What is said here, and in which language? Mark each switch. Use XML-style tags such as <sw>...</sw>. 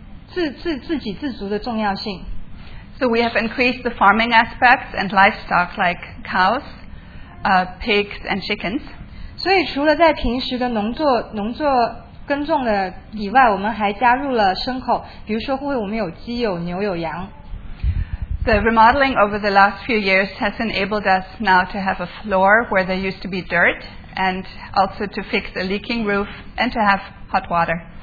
<zh>虽然在过去的几年，我们都知道这整个农场的开支有很多有爱心的教会的弟兄姐妹来支持，但是我们自己也知道自给自足的重要性。</zh> <en>So we have increased the farming aspects and livestock like cows, pigs, and chickens.</en> <zh>所以除了在平时的农作耕种的以外，我们还加入了牲口，比如说会我们有鸡、有牛、有羊。</zh> <en>The remodeling over the last few years has enabled us now to have a floor where there used to be dirt, and also to fix a leaking roof and to have hot water.</en>